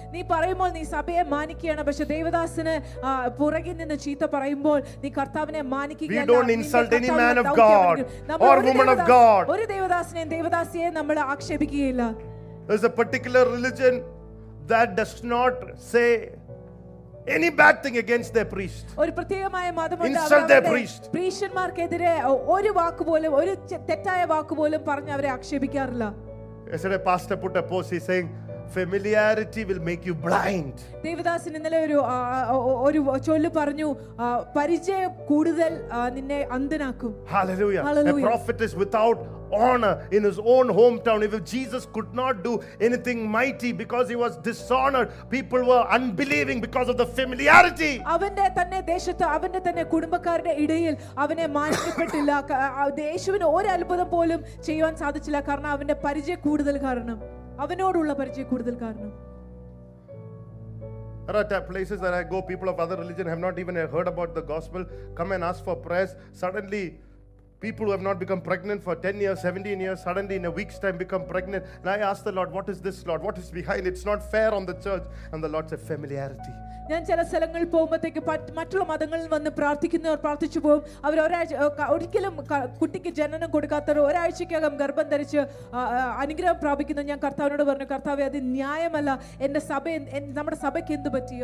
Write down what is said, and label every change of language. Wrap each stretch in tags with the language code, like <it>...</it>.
<ml>നീ പറയുമ്പോൾ നീ സഭയെ മാനിക്കുകയാണ്, പക്ഷേ ദൈവദാസനെ പുറകിൽ നിന്ന് ചീത്ത പറയുമ്പോൾ നീ കർത്താവിനെ മാനിക്കുകയല്ല.</ml> <en>We don't insult any man of God or woman of God.</en> <ml>ഒരു ദൈവദാസനെ ദൈവദാസിയെ നമ്മൾ ആക്ഷേപിക്കുകയില്ല.</ml> <en>There's a particular religion that does not say any bad thing against their priest.</en> <ml>ഒരു പ്രത്യേകമായ മതം ഉണ്ട്, പ്രീശന്മാർക്കെതിരെ ഒരു വാക്ക് പോലും, ഒരു തെറ്റായ വാക്ക് പോലും പറഞ്ഞ് അവരെ ആക്ഷേപിക്കാറില്ല.</ml> <en>Yesterday pastor put a post, he's saying familiarity will make you blind.</en> <ml>Devadasan ഇന്നലെ ഒരു ഒരു ചൊല്ല് പറഞ്ഞു, പരിചയം കൂടുതൽ നിന്നെ അന്ധനാക്കും.</ml> <en>Hallelujah. A prophet is without honor in his own hometown. If Jesus could not do anything mighty because he was dishonored, people were unbelieving because of the familiarity.</en> <ml>അവന്റെ തന്നെ ദേശത്തെ അവന്റെ തന്നെ കുടുംബക്കാരുടെ ഇടയിൽ അവനെ മാനിക്കപ്പെട്ടില്ല. യേശുവിന് ഒരു അത്ഭുതം പോലും ചെയ്യാൻ സാധിച്ചില്ല, കാരണം അവന്റെ പരിചയ കൂടുതൽ കാരണം, അവനോടുള്ള പരിചയ കൂടുതൽ കാരണം.</ml> <en>There are places that I go, people of other religion have not even heard about the gospel, come and ask for prayers, suddenly people who have not become pregnant for 10 years, 17 years, suddenly in a week's time become pregnant. And I ask the Lord, what is this, Lord? What is behind? It's not fair on the church. And the Lord said, familiarity.</en> <ml>ഞാൻ ചില സ്ഥലങ്ങളിൽ പോകുമ്പോഴത്തേക്ക് മറ്റുള്ള മതങ്ങളിൽ വന്ന് പ്രാർത്ഥിക്കുന്നവർ പ്രാർത്ഥിച്ചു പോകും. അവർ ഒരിക്കലും കുട്ടിക്ക് ജനനം കൊടുക്കാത്തവർ ഒരാഴ്ചയ്ക്കകം ഗർഭം ധരിച്ച് അനുഗ്രഹം പ്രാപിക്കുന്നു. ഞാൻ കർത്താവിനോട് പറഞ്ഞു, കർത്താവ് അത് ന്യായമല്ല, എന്റെ സഭ നമ്മുടെ സഭയ്ക്ക് എന്ത് പറ്റി?</ml>